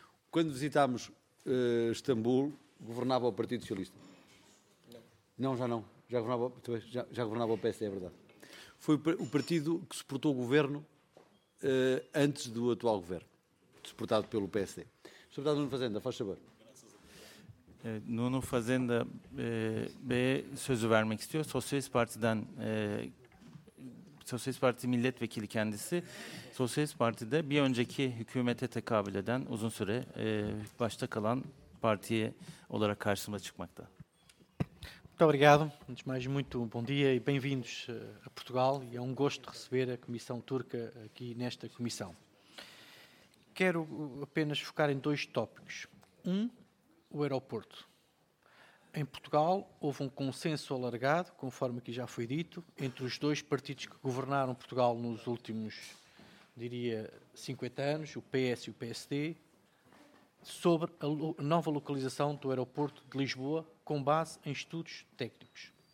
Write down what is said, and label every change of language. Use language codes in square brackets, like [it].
[pt] Quando visitámos Istambul, governava o Partido Socialista? Não. Não, já não. Já governava o PSD, é verdade. Foi o partido que suportou o governo antes do atual governo, suportado pelo PSD. Sr. Deputado Nuno Fazenda, faz favor. [tr] Nuno Fazenda Bey'e sözü vermek istiyor. Sosyalist Parti'den, Sosyalist Parti milletvekili kendisi. Sosyalist Parti'de bir önceki hükümete tekabül eden, uzun süre başta kalan partiye olarak karşımıza çıkmakta. [pt] Muito obrigado. Antes mais, muito bom dia e bem-vindos a Portugal. E é gosto receber a Comissão Turca aqui nesta comissão. Quero apenas focar em dois tópicos. O aeroporto. Em Portugal houve um consenso alargado, conforme aqui já foi dito, entre os dois partidos que governaram Portugal nos últimos, diria, 50 anos, o PS e o PSD, sobre a nova localização do aeroporto de Lisboa, com base em estudos técnicos.